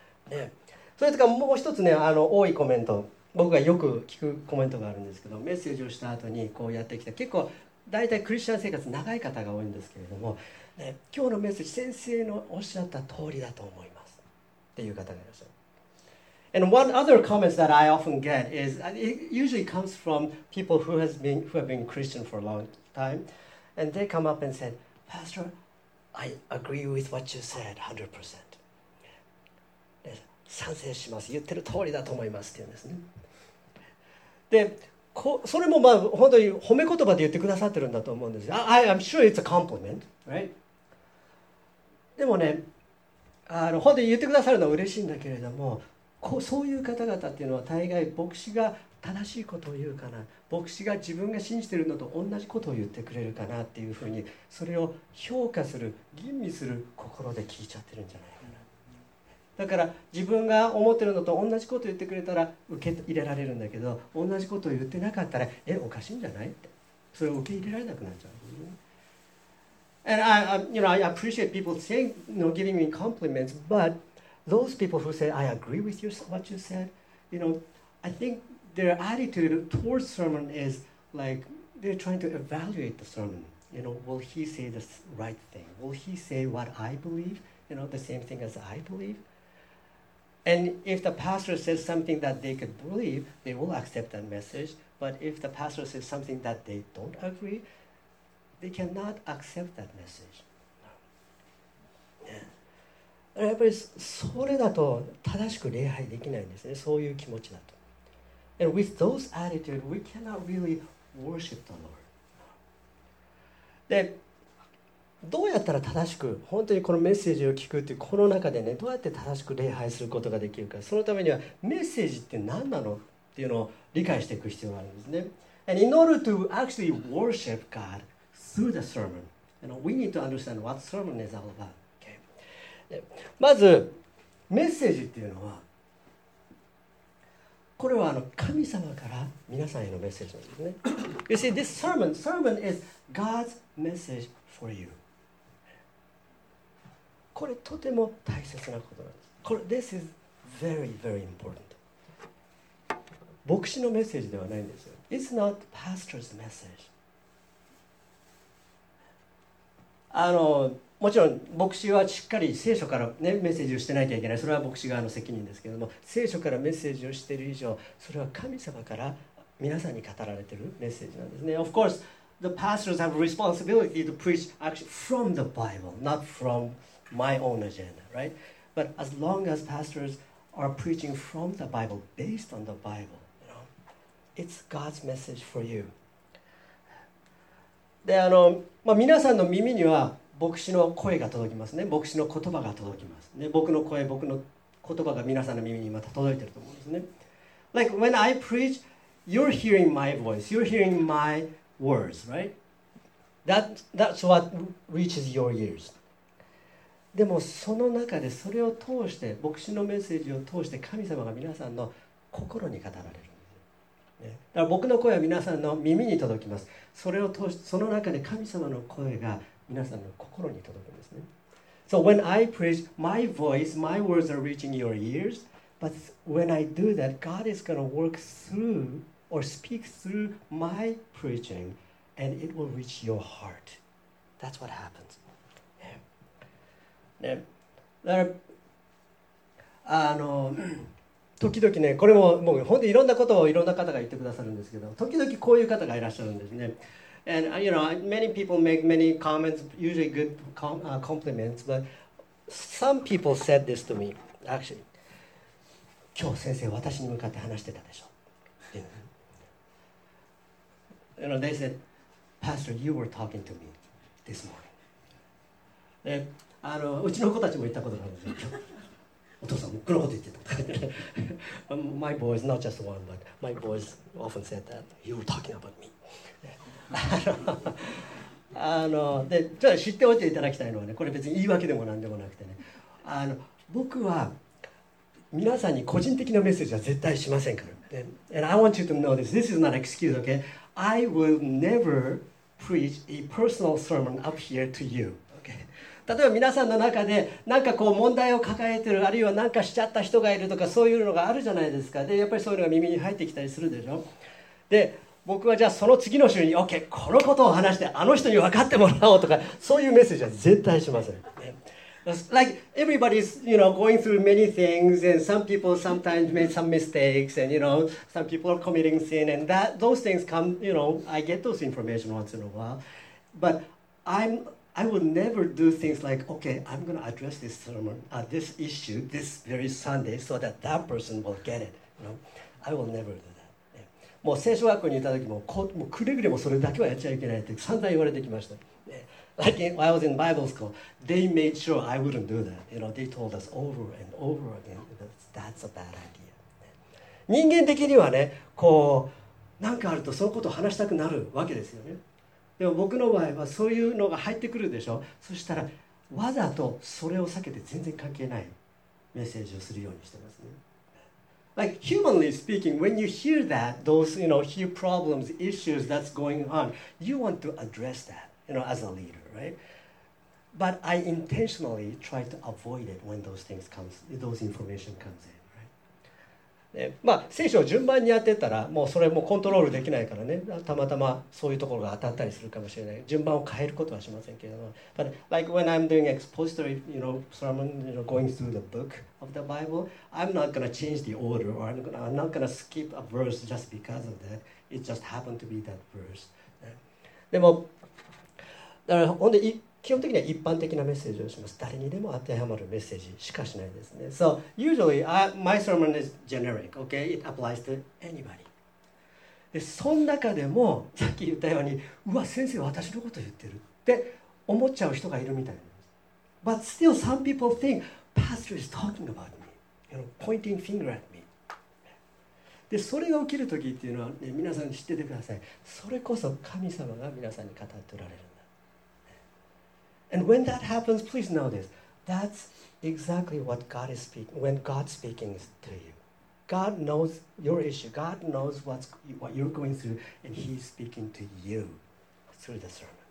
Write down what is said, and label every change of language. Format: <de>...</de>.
<ja>ね、それとかもう一つね、多いコメント、僕がよく聞くコメントがあるんですけど、メッセージをした後にこうやってきた、結構大体クリスチャン生活長い方が多いんですけれども、ね、今日のメッセージ、先生のおっしゃった通りだと思いますっていう方がいらっしゃる。</ja> <en>And one other comments that I often get is it usually comes from people who have been Christian for a long time, and they come up and said, Pastor, I agree with what you said</en> <ja>100%賛成します、言ってる通りだと思いますって言うんですね。で、それもまあ本当に褒め言葉で言ってくださってるんだと思うんです。</ja> <en>I'm sure it's a compliment, right?</en> <ja>でもね、本当に言ってくださるのは嬉しいんだけれども、そういう方々っていうのは大概牧師が正しいことを言うかな、牧師が自分が信じてるのと同じことを言ってくれるかなっていうふうに、それを評価する吟味する心で聞いちゃってるんじゃない。だから自分が思ってるのと同じことを言ってくれたら受け入れられるんだけど、同じことを言ってなかったら、え、おかしいんじゃないって、それを受け入れられなくなっちゃう。</ja> <en>And I, you know, I appreciate people saying, you know, giving me compliments, but those people who say, I agree with you, what you said, you know, I think their attitude towards sermon is like they're trying to evaluate the sermon. You know, will he say the right thing? Will he say what I believe? You know, the same thing as I believe? And if the pastor says something that they could believe, they will accept that message. But if the pastor says something that they don't agree, they cannot accept that message. Yeah.</en> <ja>やっぱりそれだと正しく礼拝できないんですね。そういう気持ちだと。</ja> <en>And with those attitude, we cannot really worship the Lord.</en> <ja>で、どうやったら正しく本当にこのメッセージを聞くっていう、この中でね、どうやって正しく礼拝することができるか、そのためにはメッセージって何なのっていうのを理解していく必要があるんですね。</ja> <en>And in order to actually worship God through the sermon, you know, we need to understand what sermon is all about. Okay.</en> <ja>まずメッセージっていうのは、これは神様から皆さんへのメッセージなんですね。</ja> <en>You see, this sermon is God's message for you.</en> <ja>これとても大切なことなんです。</ja> <en>これ、This is very, very important.</en> <ja>牧師のメッセージではないんですよ。</ja> <en>It's not pastor's message.</en> <ja>もちろん牧師はしっかり聖書から、ね、メッセージをしてなきゃいけない。それは牧師側の責任ですけれども、聖書からメッセージをしている以上、それは神様から皆さんに語られているメッセージなんですね。</ja> <en>Of course, the pastors have a responsibility to preach actually from the Bible, not fromMy own agenda, right? But as long as pastors are preaching from the Bible, based on the Bible, you know, it's God's message for you.</en> <ja>で、まあ、皆さんの耳には牧師の声が届きますね。牧師の言葉が届きますね。僕の声、僕の言葉が皆さんの耳にまた届いてると思うんですね。</ja> <en>Like when I preach, you're hearing my voice, you're hearing my words, right? That's what reaches your ears.</en> <ja>でもその中でそれを通して牧師のメッセージを通して神様が皆さんの心に語られる、ね、だから僕の声は皆さんの耳に届きます。それを通してその中で神様の声が皆さんの心に届くんですね。</ja> <en>So when I preach, my voice, my words are reaching your ears. But when I do that, God is going to work through or speak through my preaching and it will reach your heart. That's what happens.</en> <ja>ね、だから時々ね、これも、もう本当にいろんなことをいろんな方が言ってくださるんですけど、時々こういう方がいらっしゃるんですね。</ja> <en>And you know, many people make many comments, usually good compliments, but some people said this to me, actually.</en> <ja>今日先生私に向かって話してたでしょ。</ja> <en>You know, they said, Pastor, you were talking to me this morning.</en> <ja>あのうちの子たちも言ったことがあるんですよ。お父さん、僕のこと言ってた。</ja> <en>My boy is not just one, but my boy is often said that you're talking about me.</en> <ja>あのでじゃあ知っておいていただきたいのはね、これ別に言い訳でも何でもなくてね、あの僕は皆さんに個人的なメッセージは絶対しませんから。</ja> <en>And I want you to know this. This is not an excuse, okay? I will never preach a personal sermon up here to you. Okay?</en> <ja>例えば皆さんの中で何かこう問題を抱えてる、あるいは何かしちゃった人がいるとか、そういうのがあるじゃないですか。で、やっぱりそういうのが耳に入ってきたりするでしょ。で、僕はじゃあその次の週に OK、このことを話してあの人に分かってもらおうとか、そういうメッセージは絶対しません。</ja> <en>Like everybody's, you know, going through many things, and some people sometimes make some mistakes, and you know, some people are committing sin, and that those things come, you know, I get those information once in a while, but I will never do things like, okay, I'm going to address this sermon, this issue, this very Sunday, so that that person will get it. You know, I will never do that.</en> <ja>もう聖書学校にいた時も、もうくれぐれもそれだけはやっちゃいけないって散々言われてきました。</ja> <en>Like when I was in Bible school, they made sure I wouldn't do that. You know, they told us over and over again that that's a bad idea.</en> <ja>人間的にはね、こう、なんかあるとそのことを話したくなるわけですよね。でも僕の場合はそういうのが入ってくるでしょ。そしたらわざとそれを避けて全然関係ないメッセージをするようにしてますね。</ja> <en>Like humanly speaking, when you hear that, those, you know, hear problems, issues that's going on, you want to address that. You know, as a leader, right? But I intentionally try to avoid it when those things comes, those information comes in, right?</en> <ja>で、まあ、聖書を順番にやってたら、もうそれもコントロールできないからね、たまたまそういうところが当たったりするかもしれない。順番を変えることはしませんけれども。</ja> <en>But like when I'm doing expository, you know, sermon, you know, going through the book of the Bible, I'm not going to change the order or I'm not going to skip a verse just because of that. It just happened to be that verse.</en> <ja>でも、だから本当に基本的には一般的なメッセージをします。誰にでも当てはまるメッセージしかしないですね。</ja> <en>So usually my sermon is generic, okay? It applies to anybody.</en> <ja>で、その中でもさっき言ったように、うわ先生私のこと言ってるって思っちゃう人がいるみたいです。</ja> <en>But still some people think pastor is talking about me, you know, pointing finger at me.</en> <ja>で、それが起きる時っていうのはね、皆さん知っててください。それこそ神様が皆さんに語っておられる。</ja> <en>And when that happens, please know this. That's exactly what God is speaking, when God's speaking to you. God knows your issue. God knows what you're going through, and He's speaking to you through the sermon.</en>